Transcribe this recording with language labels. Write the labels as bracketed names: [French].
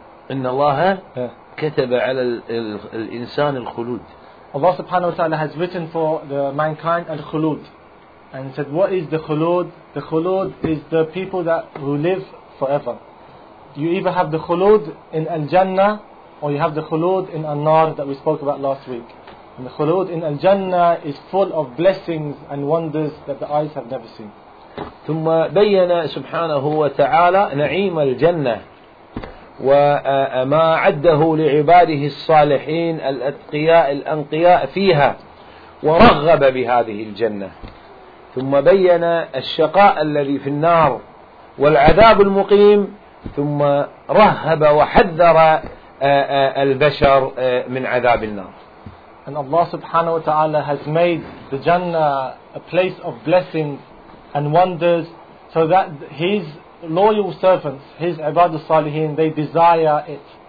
[Arabic] إن الله كتب على الإنسان الخلود. [English] Allah subhanahu wa ta'ala has written for the mankind al-khulud, and he said, what is the khulud? The khulud is the people that who live forever. You either have the khulud in al-jannah, or you have the khulud in al-nar that we spoke about last week. And the khulud in al-jannah is full of blessings and wonders that the eyes have never seen. [Arabic] ثم بين سبحانه وتعالى نعيم الجنة وما عده لعباده الصالحين الأتقياء الأنقياء فيها، ورغب بهذه الجنة. ثم بين الشقاء الذي في النار والعذاب المقيم، ثم رهب وحذر البشر من عذاب النار. [English] And Allah subhanahu wa ta'ala has made the Jannah a place of blessings and wonders, so that his loyal servants, his ibad al-salihin, they desire it.